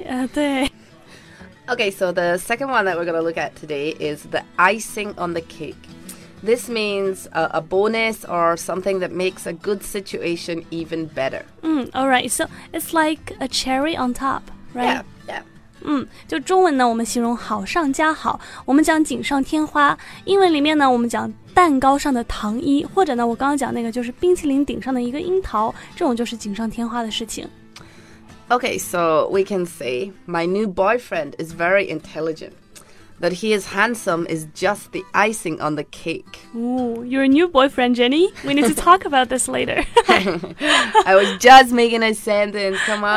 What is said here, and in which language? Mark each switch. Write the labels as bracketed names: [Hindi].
[English] Yeah, okay, so the second one that we're going to look at today is the icing on the cake. This means a bonus or something that makes a good situation even better. Alright, so it's like a cherry on top, right? Yeah. [Chinese] 就中文呢我们形容好上加好我们讲锦上添花英文里面呢我们讲蛋糕上的糖衣或者呢我刚刚讲那个就是冰淇淋顶上的一个樱桃这种就是锦上添花的事情 [English] Okay, so we can say My new boyfriend is very intelligent That he is handsome is just the icing on the cake Ooh, your new boyfriend, Jenny We need to talk about this later I was just making a sentence, come on